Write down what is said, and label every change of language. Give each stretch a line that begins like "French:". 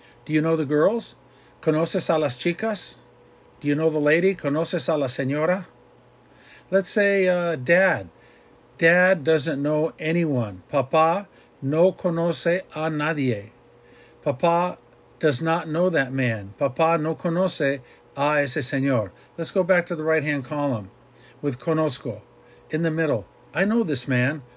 English: Do you know the girls?
Spanish: ¿Conoces a las chicas?
English: Do you know the lady?
Spanish: ¿Conoces a la señora?
English: Let's say dad. Dad doesn't know anyone.
Spanish: Papá no conoce a nadie.
English: Papá does not know that man.
Spanish: Papá no conoce a ese señor.
English: Let's go back to the right-hand column with conozco. In the middle, I know this man.